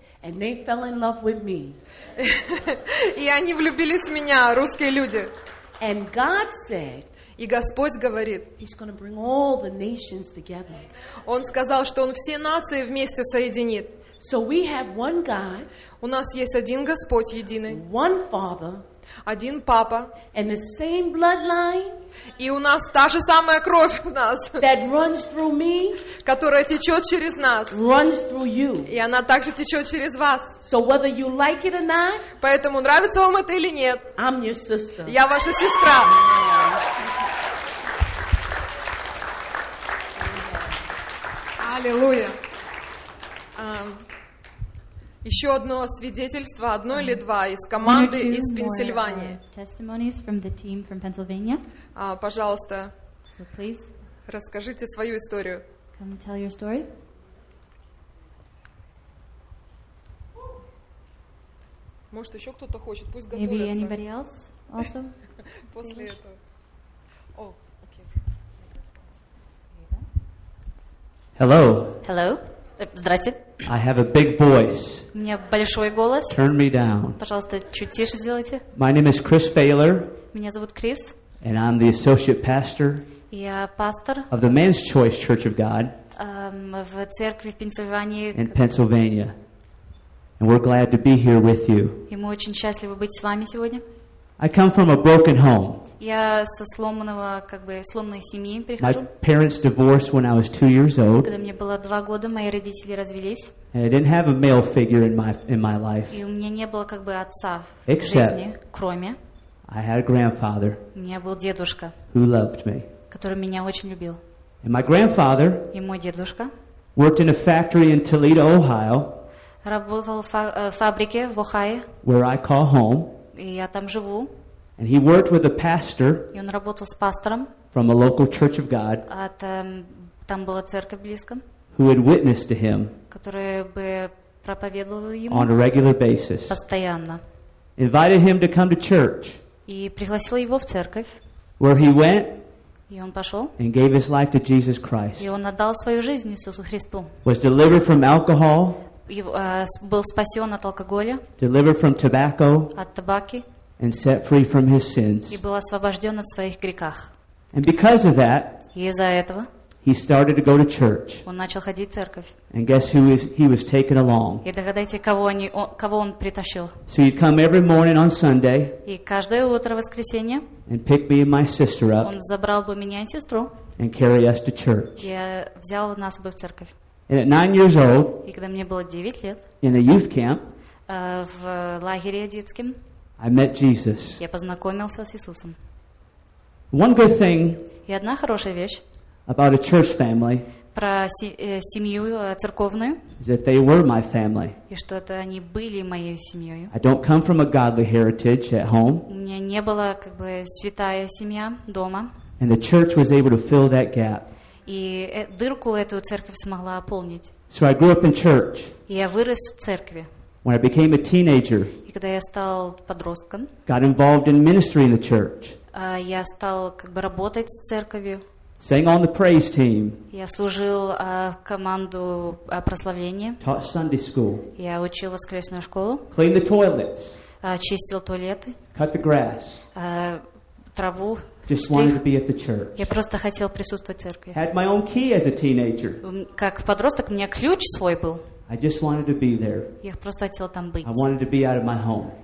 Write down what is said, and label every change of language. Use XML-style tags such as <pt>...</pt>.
<en>And they fell in love with me.</en> <ru>И они влюбились в меня, русские люди.</ru> <en>And God said,</en> <ru>и Господь говорит,</ru> <en>He's going to bring all the nations together.</en> <ru>Он сказал, что Он все нации вместе соединит.</ru> <en>So we have one God,</en> <ru>у нас есть один Господь единый,</ru> <en>one Father,</en> <ru>один Папа,</ru> <en>and the same bloodline,</en> <ru>и у нас та же самая кровь у нас,</ru> <en>that runs through me,</en> <ru>которая течет через нас,</ru> <en>runs through you.</en> <ru>И она также течет через вас.</ru> <en>So whether you like it or not,</en> <ru>поэтому нравится вам это или нет,</ru> <en>I'm your sister.</en> <ru>Я ваша сестра. Аллилуйя. Еще одно свидетельство, одно или два, из команды из Пенсильвании.</ru> <en>Testimonies from the team from Pennsylvania.</en> <ru>Пожалуйста,</ru> <en>so please,</en> <ru>расскажите свою историю.</ru> <en>Come tell your story.</en> <ru>Может, еще кто-то хочет, пусть готовится.</ru> <en>Maybe anybody else also?</en> <ru>После English? Этого.</ru> <en>Hello. Hello. Здрасте. I have a big voice.</en> <ru>У меня большой голос.</ru> <en>Turn me down.</en> <ru>Пожалуйста, чуть тише сделайте.</ru> <en>My name is Chris Failer.</en> <ru>Меня зовут Крис.</ru> <en>And I'm the associate pastor.</en> <ru>Я пастор.</ru> <en>Of the Man's Choice Church of God.</en> <ru>В церкви в Пенсильвании.</ru> <en>In Pennsylvania. And we're glad to be here with you.</en> <ru>И мы очень счастливы быть с вами сегодня.</ru> <en>I come from a broken home.</en> <ru>Я со сломанного, как бы, сломанной семьи прихожу.</ru> <en>My parents divorced when I was 2 years old.</en> <ru>Когда мне было 2 года, мои родители развелись.</ru> <en>And I didn't have a male figure in my life.</en> <ru>И у меня не было, как бы, отца в</ru> <en>Except</en> <ru>жизни, кроме.</ru> <en>I had a grandfather.</en> <ru>У меня был дедушка.</ru> <en>Who loved me.</en> <ru>Который меня очень любил.</ru> <en>And my grandfather.</en> <ru>И мой дедушка.</ru> <en>Worked in a factory in Toledo, Ohio.</en> <ru>Работал в фабрике в Охайо.</ru> <en>Where I call home.</en> <ru>И я там живу.</ru> <en>And he worked with a pastor.</en> <ru>И он работал с пастором.</ru> <en>From a local church of God.</en> <ru>От там была церковь близко.</ru> <en>Who had witnessed to him.</en> <ru>Которая бы проповедовала ему.</ru> <en>On a regular basis.</en> <ru>Постоянно.</ru> <en>Invited him to come to church.</en> <ru>И пригласила его в церковь.</ru> <en>Where he went.</en> <ru>И он пошел.</ru> <en>And gave his life to Jesus Christ.</en> <ru>И он отдал свою жизнь Иисусу Христу.</ru> <en>Was delivered from alcohol.</en> <ru>И, был спасен от алкоголя.</ru> <en>Delivered from tobacco.</en> <ru>От табаки.</ru> <en>And set free from his sins.</en> <ru>И был освобожден от своих грехах.</ru> <en>And because of that,</en> <ru>и из-за этого,</ru> <en>He started to go to church.</en> <ru>Он начал ходить в церковь.</ru> <en>And guess who he was taking along?</en> <ru>И догадайте, кого он притащил?</ru> <en>So he'd come every morning on Sunday.</en> <ru>И каждое утро воскресенье.</ru> <en>And pick me and my sister up.</en> <ru>Он забрал бы меня и сестру.</ru> <en>And carry us to church.</en> <ru>И взял нас бы в церковь.</ru> <en>And at 9 years old.</en> <ru>И когда мне было 9 лет.</ru> <en>In a youth camp.</en> <ru>В лагере детском.</ru> <en>I met Jesus.</en> <ru>Я познакомился с Иисусом.</ru> <en>One good thing.</en> <ru>И одна хорошая вещь.</ru> <en>About a church family.</en> <ru>Про семью церковную.</ru> <en>That they were my family.</en> <ru>И что это они были моей семьей.</ru> <en>I don't come from a godly heritage at home.</en> <ru>У меня не было как бы святая семья дома.</ru> <en>And the church was able to fill that gap.</en> <ru>И дырку эту церковь смогла заполнить.</ru> <en>So I grew up in church.</en> <ru>И я вырос в церкви.</ru> <en>When I became a teenager.</en> <ru>И когда я стал подростком.</ru> <en>Got involved in ministry in the church.</en> <ru>Я стал как бы работать с церковью.</ru> <en>Sang on the praise team.</en> <ru>Я служил команду прославления.</ru> <en>Taught Sunday school.</en> <ru>Я учил воскресную школу.</ru> <en>Cleaned the toilets.</en> <ru>Чистил туалеты.</ru> <en>Cut the grass.</en> <ru>Траву.</ru> <en>Just wanted to be at the church.</en> <ru>Я просто хотел присутствовать в церкви.</ru> <en>Had my own key as a teenager.</en> <ru>Как подросток у меня ключ свой был.</ru> <en>I just wanted to be there.</en> <ru>Я просто хотел там быть.</ru> <en>I wanted to be out of my home.</en>